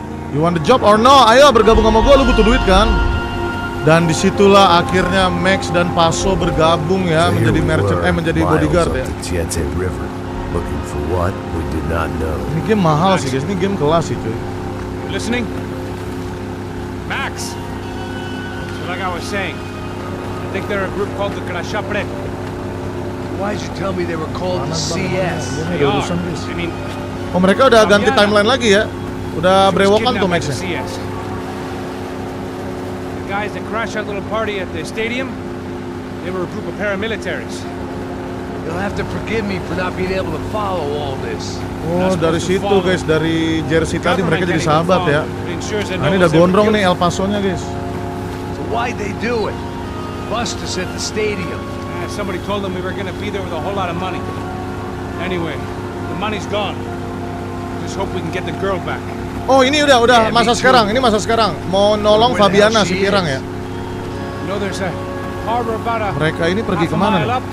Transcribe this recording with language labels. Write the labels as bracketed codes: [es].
[en] You want the job or no? [id] Ayo bergabung sama gue. Lu butuh duit kan? Dan disitulah akhirnya Max dan Paso bergabung ya, so menjadi merchant, menjadi bodyguard ya. [en] Looking for what we did not know. [id] Ini game mahal sih guys, ini game kelas sih cuy. [en] Listening? Max! So like I was saying, I think they're a group called the Krashapret. Why did you tell me they were called the CS? They are. I mean... [id] Oh mereka udah ganti timeline lagi ya? Udah brewokan tuh Max-nya. [en] The guys that crashed our little party at the stadium, they were a group of paramilitaries. You'll have to forgive me for not being able to follow all this. [id] Oh, dari situ guys, dari jersey tadi mereka jadi sahabat ya. Nah, ini udah gondrong nih El Paso-nya guys. [en] So why they do it? Bust us at the stadium. Somebody told them we were gonna be there with a whole lot of money. Anyway, the money's gone. Just hope we can get the girl back. [id] Oh, ini udah yeah, masa sekarang. Ini masa sekarang. Mau nolong Fabiana si pirang ya. [en] You know there's a harbor about a [id] mereka ini pergi kemana?